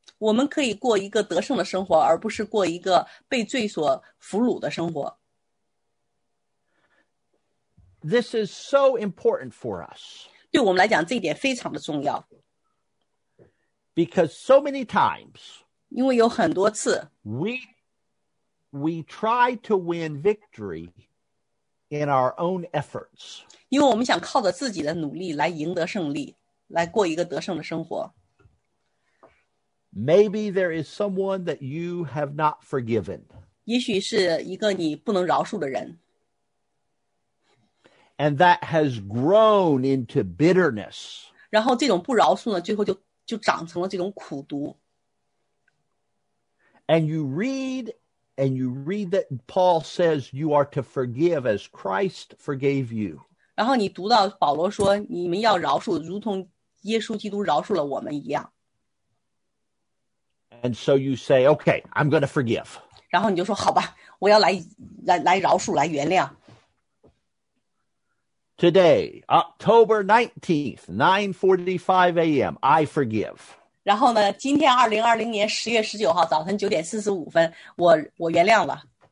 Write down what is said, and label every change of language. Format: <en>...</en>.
<zh>我们可以过一个得胜的生活，而不是过一个被罪所俘虏的生活。</zh> <en>This is so important for us.</en> <zh>对我们来讲，这一点非常的重要。</zh> <en>Because so many times,</en> <zh>因为有很多次</zh> <en>we try to win victory in our own efforts.</en> <zh>因为我们想靠着自己的努力来赢得胜利，来过一个得胜的生活。</zh> <en>Maybe there is someone that you have not forgiven.</en> <zh>也许是一个你不能饶恕的人。</zh> <en>And that has grown into bitterness.</en> <zh>然后这种不饶恕呢，最后就长成了这种苦毒。</zh> <en>And you read that Paul says you are to forgive as Christ forgave you.</en> <zh>然后你读到保罗说，你们要饶恕，如同耶稣基督饶恕了我们一样。</zh> <en>And so you say, okay, I'm going to forgive.</en> <zh>然后你就说好吧，我要来饶恕，来原谅。</zh> <en>Today, October 19th, 9:45 a.m., I forgive.</en> <zh>然后呢，今天2020年10月19号早晨9:45，我原谅了。</zh>